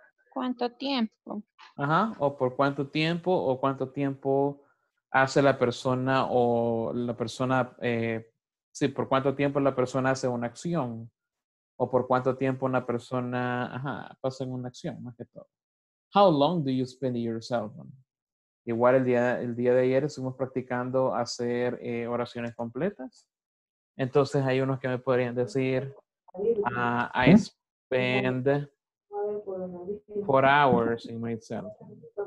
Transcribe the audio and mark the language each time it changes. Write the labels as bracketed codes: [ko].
[es] ¿Cuánto tiempo? Ajá. O por cuánto tiempo o cuánto tiempo hace la persona o la persona, sí, por cuánto tiempo la persona hace una acción. O por cuánto tiempo una persona, pasa en una acción, más que todo. [en] How long do you spend your cell phone? [es] Igual el día de ayer estuvimos practicando hacer oraciones completas. Entonces hay unos que me podrían decir, [en] I spend 4 hours in my cell phone.